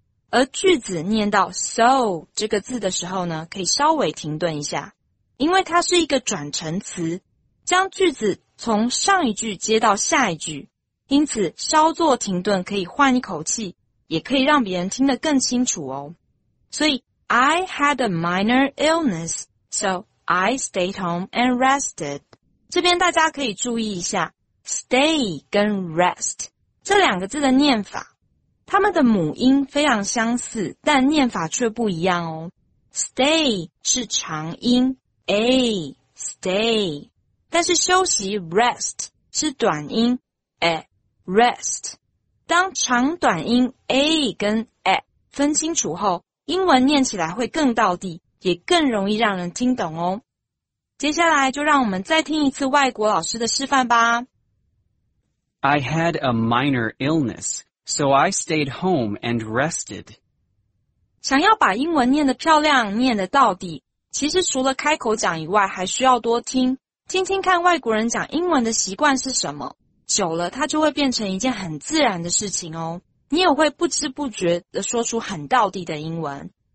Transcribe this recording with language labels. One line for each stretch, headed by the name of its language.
Chinese: 而句子念到 so 这个字的时候呢，可以稍微停顿一下，因为它是一个转成词，将句子从上一句接到下一句，因此稍作停顿可以换一口气，也可以让别人听得更清楚哦。所以
English: I had a minor illness, so I stayed home and rested.
Chinese: 这边大家可以注意一下 stay 跟 rest 这两个字的念法，他们的母音非常相似，但念法却不一样哦。 Stay 是长音 A stay， 但是休息 rest 是短音 A rest。当长短音 A 跟 A 分清楚后，英文念起来会更道地，也更容易让人听懂哦。接下来就让我们再听一次外国老师的示范吧。
English: I had a minor illness. So I stayed home and rested.
Chinese: 想要把英文念得漂亮，念得到底，其实除了开口讲以外，还需要多听，听听看外国人讲英文的习惯是什么，久了它就会变成一件很自然的事情哦。你也会不知不觉地说出很到底的英文。